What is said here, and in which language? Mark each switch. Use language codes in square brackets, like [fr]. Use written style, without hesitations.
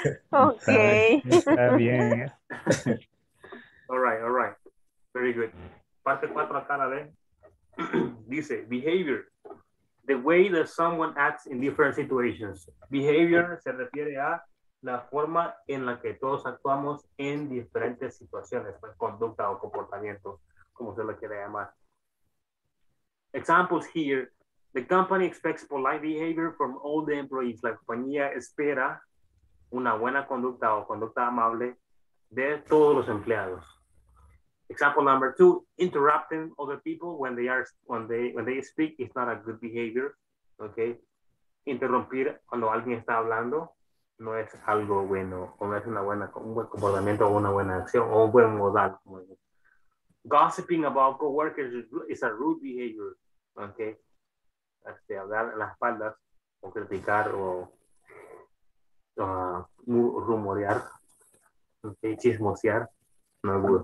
[en] Okay. [es] Está bien. [en] All right. Very good. [es] Parte 4 acá la ven. Dice, behavior. [en] The way that someone acts in different situations. [es] Behavior se refiere a la forma en la que todos actuamos en diferentes situaciones, pues, conducta o comportamiento, como se lo quiera llamar. [en] Examples here. The company expects polite behavior from all the employees. [es] La compañía espera una buena conducta o conducta amable de todos los empleados. [en] Example number two, interrupting other people when they speak is not a good behavior. Okay. [es] Interrumpir cuando alguien está hablando no es algo bueno, o no es un buen comportamiento o una buena acción o un buen modal. [en] Gossiping about coworkers is a rude behavior. Okay. [es] Hablar en las espaldas o criticar o rumorear, okay, chismosear, no es bueno.